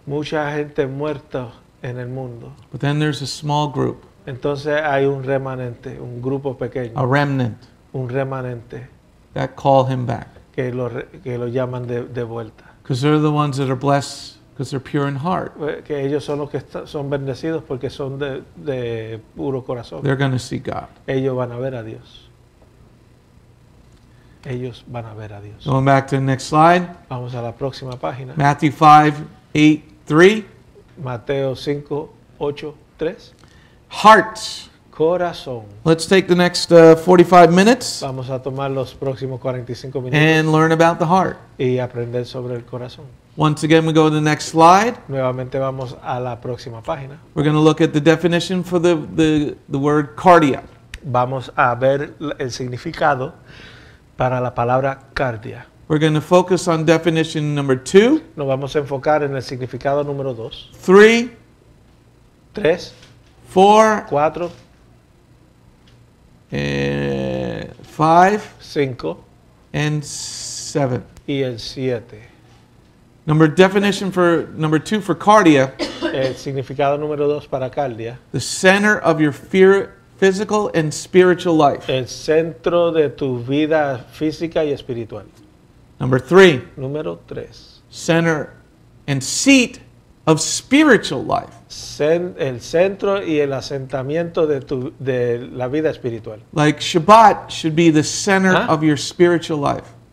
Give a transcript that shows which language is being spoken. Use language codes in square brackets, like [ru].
[es] Mucha gente muerta en el mundo. [en] But then there's a small group. [es] Entonces hay un remanente, un grupo pequeño. [en] A remnant. [es] Un remanente. [en] That call him back. [es] Que lo llaman de vuelta. [en] Because they're the ones that are blessed because they're pure in heart. [es] Que ellos son los que son bendecidos porque son de puro corazón. [en] They're going to see God. [es] Ellos van a ver a Dios. Ellos van a ver a Dios. [en] Going back to the next slide. [es] Vamos a la próxima página. [en] Matthew 5:8-3. [es] Mateo 5:8-3. [en] Hearts. [es] Corazón. [en] Let's take the next 45 minutes. [es] Vamos a tomar los próximos 45 minutos. [en] And learn about the heart. [es] Y aprender sobre el corazón. [en] Once again, we go to the next slide. [es] Nuevamente vamos a la próxima página. [en] We're going to look at the definition for the word cardia. [es] Vamos a ver el significado para la palabra cardia. [en] We're going to focus on definition number 2. [es] Nos vamos a enfocar en el significado número 2. [en] 3. [es] 3. [en] 4. [es] 4. [en] 5. [es] 5. [en] And 7. [es] Y el 7. [en] Number definition for number 2 for cardia. [es] El significado número 2 para cardia. [en] The center of your fear. Physical and spiritual life. [es] El centro de tu vida física y espiritual. [en] Number 3. [es] Número 3. [en] Center and seat of spiritual life. [es] El centro y el asentamiento de la vida espiritual. [en] Like Shabbat should be the center of your spiritual life.